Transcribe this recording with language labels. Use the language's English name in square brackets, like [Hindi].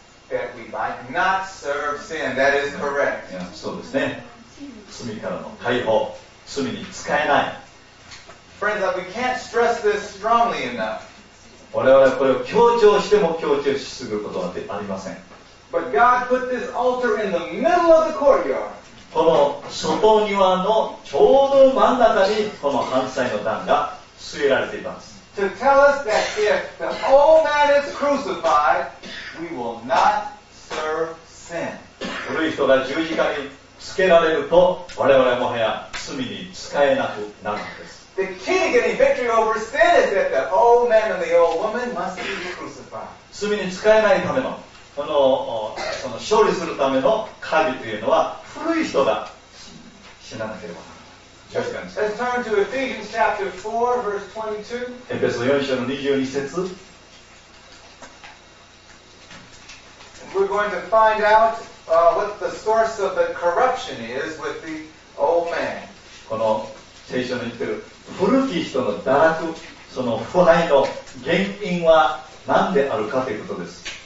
[English] That we might not serve sin. That is correct. [Japanese] そうですね、罪からの解放、罪に使えない。 [English] Friends, we can't stress this strongly enough. [Japanese] 我々はこれを強調しても強調しすぎることはありません。 [English] But God put this altar in the middle of the courtyard. [Japanese] この外庭のちょうど真ん中にこの反対の段が据えられています。 [English] To tell us that if the old man is crucified, we will not serve sin. [Japanese] 古い人が十字架につけられると、我々はもはや罪に使えなくなるんです。 [English] The key to getting victory over sin is that the old man and the old woman must be crucified. [Japanese] 罪に使えないためのその勝利するための鍵というのは、古い人が死ななければならない。 [English] Let's turn to Ephesians chapter 4, verse 22. [Japanese] エペソ4章の22節。 [English] We're going to find out what the source of the corruption is with the old man. [Japanese] この書の言っている古き人の堕落、その腐敗の原因は何であるかということです。